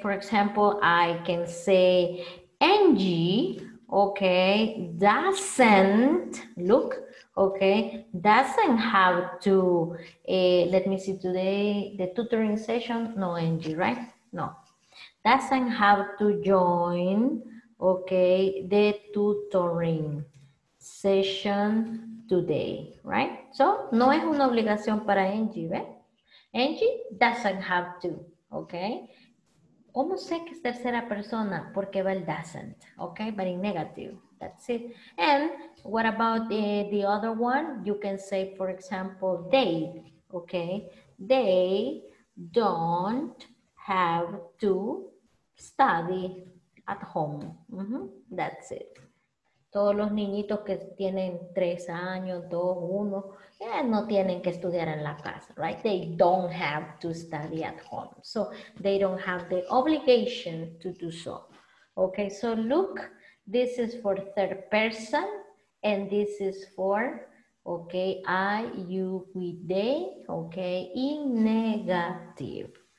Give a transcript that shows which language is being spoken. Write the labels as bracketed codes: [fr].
[en] For example, I can say Angie, okay, doesn't, look, okay, doesn't have to, let me see today, the tutoring session, no Angie, right? No. Doesn't have to join, okay, the tutoring session today, right? [es] So, no es una obligación para Angie, ¿ve? [en] Angie doesn't have to, [es] okay? ¿Cómo sé que es tercera persona? Porque va el [en] doesn't, okay, but in negative. That's it. And what about the other one? You can say, for example, they, okay? They don't have to study at home. Mm-hmm. That's it. [es] Todos los niñitos que tienen 3 años, 2, 1, no tienen que estudiar en la casa, right? [en] They don't have to study at home. So they don't have the obligation to do so. Okay, so look. This is for third person, and this is for, okay, I, you, we, they, okay, in negative.